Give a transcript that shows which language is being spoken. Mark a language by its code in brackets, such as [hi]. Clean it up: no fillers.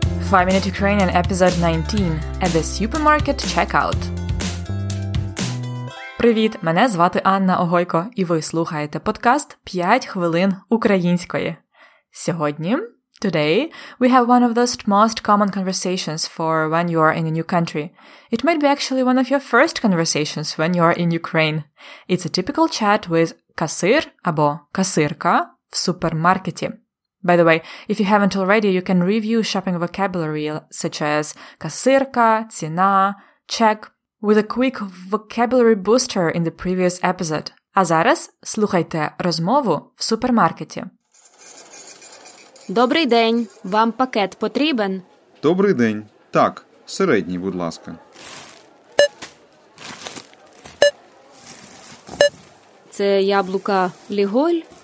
[en] 5-Minute Ukrainian, episode 19, at the supermarket checkout. [uk] Привіт, мене звати Анна Огойко, і ви слухаєте подкаст «5 хвилин української». Сьогодні, [en] today, we have one of those most common conversations for when you are in a new country. It might be actually one of your first conversations when you are in Ukraine. It's a typical chat with [uk] касир або касирка в супермаркеті. [en] By the way, if you haven't already, you can review shopping vocabulary such as касирка, ціна, чек with a quick vocabulary booster in the previous episode. [uk] А зараз слухайте розмову в супермаркеті. Добрий день, вам пакет потрібен? Добрий день, так, середній, будь ласка. Це яблука Ліголь?